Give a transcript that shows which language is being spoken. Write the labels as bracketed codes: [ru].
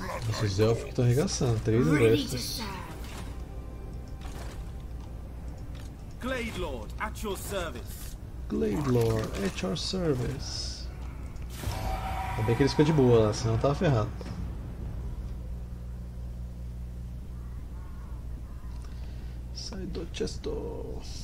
[pt] Esses elfos que estão arregaçando, três exércitos. [en] Glade Lord, at your service. Gladelore, at your service. [pt] Ainda bem que ele fica de boa lá, senão tava ferrado. Sai do chesto.